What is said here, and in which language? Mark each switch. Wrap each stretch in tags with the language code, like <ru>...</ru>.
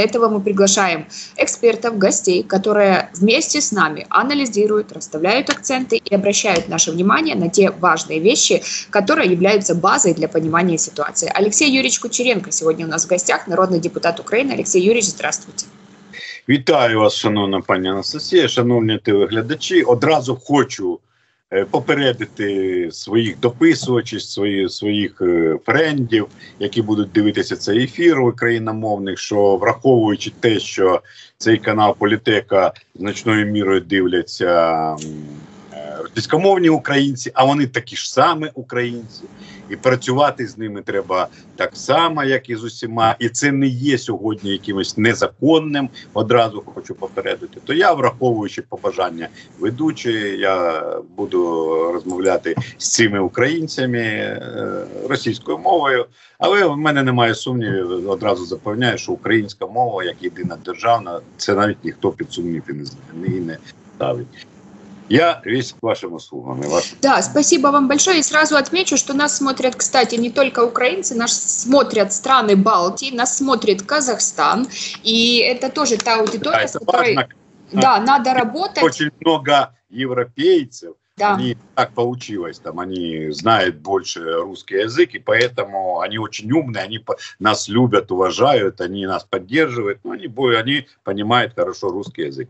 <ru>Для этого мы приглашаем экспертов, гостей, которые вместе с нами анализируют, расставляют акценты и обращают наше внимание на те важные вещи, которые являются базой для понимания ситуации. Алексей Юрьевич Кучеренко сегодня у нас в гостях, народный депутат Украины. Алексей Юрьевич, здравствуйте.</ru> <uk>Вітаю вас, шановна пані Анастасія, шановні телеглядачі. Одразу хочу попередити своїх дописувачів, своїх френдів, які будуть дивитися цей ефір україномовних, що враховуючи те, що цей канал Політека значною мірою дивляться російськомовні українці, а вони такі ж самі українці, і працювати з ними треба так само, як і з усіма, і це не є сьогодні якимось незаконним, одразу хочу попередити. То я, враховуючи побажання ведучої, я буду розмовляти з цими українцями російською мовою, але в мене немає сумнівів, одразу запевняю, що українська мова як єдина державна, це навіть ніхто під сумнів не ставить.</uk> <ru>Я весь к вашим услугам. Да, спасибо вам большое. И сразу отмечу, что нас смотрят, кстати, не только украинцы, нас смотрят страны Балтии, нас смотрит Казахстан. И это тоже та аудитория, да, с которой... Важно, да, надо работать. Очень много европейцев. Да. Они, так получилось, там, они знают больше русский язык, и поэтому они очень умные, они нас любят, уважают, они нас поддерживают, но они понимают хорошо русский язык.</ru>